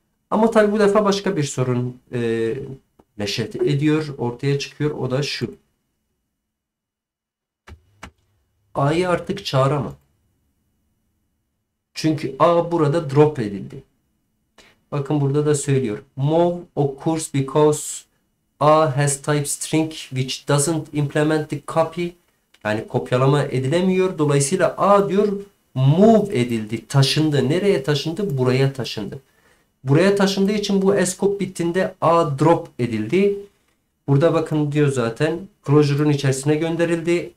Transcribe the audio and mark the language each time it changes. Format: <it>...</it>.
<tr>Ama tabii bu defa başka bir sorun neşet ediyor, ortaya çıkıyor. O da şu. A'yı artık çağıramam. Çünkü A burada drop edildi. Bakın burada da söylüyor.</tr> <en>Move occurs because A has type string which doesn't implement the copy.</en> <tr>Yani kopyalama edilemiyor. Dolayısıyla A diyor move edildi. Taşındı. Nereye taşındı? Buraya taşındı. Buraya taşındığı için bu escope bittiğinde A drop edildi. Burada bakın diyor zaten closure'un içerisine gönderildi.</tr>